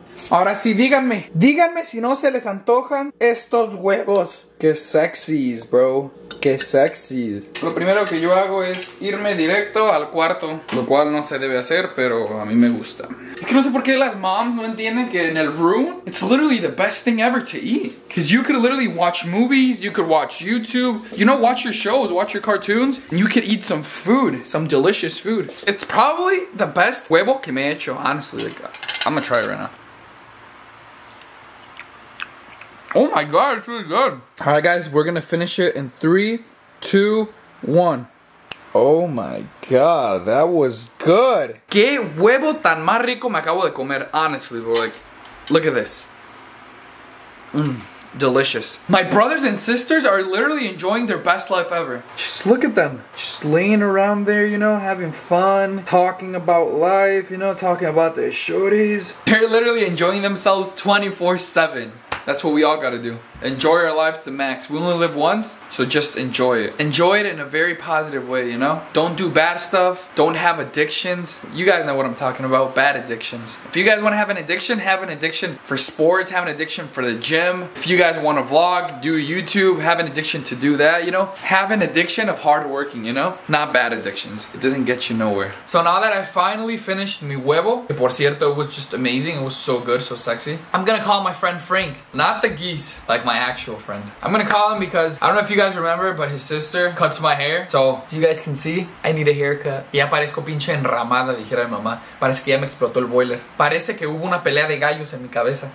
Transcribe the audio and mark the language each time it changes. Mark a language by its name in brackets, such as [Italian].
[Spanish] Ahora sí, díganme, díganme si no se les antojan estos huevos. Qué sexys, bro, qué sexys. Lo primero que yo hago es irme directo al cuarto, lo cual no se debe hacer, pero a mí me gusta. Es que no sé por qué las moms no entienden que en el room, [English] it's literally the best thing ever to eat. Because you could literally watch movies, you could watch YouTube, you know, watch your shows, watch your cartoons, and you could eat some food, some delicious food. It's probably the best huevo [Spanish] que me he hecho, [English] honestly, like, I'm gonna try it right now. Oh my god, it's really good. All right, guys, we're gonna finish it in 3, 2, 1. Oh my god, that was good. [Spanish] Qué huevo tan más rico me acabo de comer, honestly, bro. [English] Like, look at this. Mmm, delicious. My brothers and sisters are literally enjoying their best life ever. Just look at them. Just laying around there, you know, having fun, talking about life, you know, talking about their shorties. They're literally enjoying themselves 24/7. That's what we all gotta do. Enjoy our lives to max. We only live once, so just enjoy it. Enjoy it in a very positive way, you know? Don't do bad stuff. Don't have addictions. You guys know what I'm talking about, bad addictions. If you guys wanna have an addiction for sports, have an addiction for the gym. If you guys wanna vlog, do YouTube, have an addiction to do that, you know? Have an addiction of hard working, you know? Not bad addictions. It doesn't get you nowhere. So now that I finally finished [Spanish] mi huevo, que por cierto, [English] it was just amazing. It was so good, so sexy. I'm gonna call my friend Frank, not the geese. Like my actual friend. I'm gonna call him because I don't know if you guys remember, but his sister cuts my hair. So, as you guys can see, I need a haircut. [Spanish] Ya parezco pinche enramada, dijera mi mamá. Parece que ya me explotó el boiler. Parece que hubo una pelea de gallos en mi cabeza.